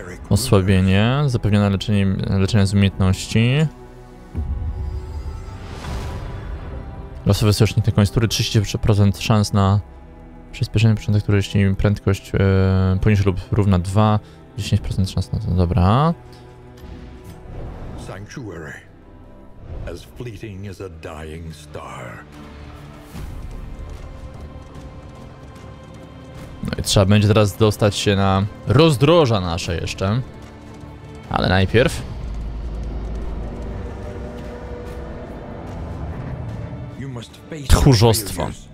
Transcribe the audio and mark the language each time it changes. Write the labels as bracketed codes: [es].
[pl] Osłabienie, zapewnione leczenie z umiejętności. Losowy sojusznik na koniec tury, 30% szans na Przyspieszenie początek, które jeśli prędkość poniżej lub równa 2, 10% szans na to. Dobra. Sanctuary. [en] As fleeting as a dying star. [pl] No i trzeba będzie teraz dostać się na rozdroża nasze jeszcze. Ale najpierw... Tchórzostwo.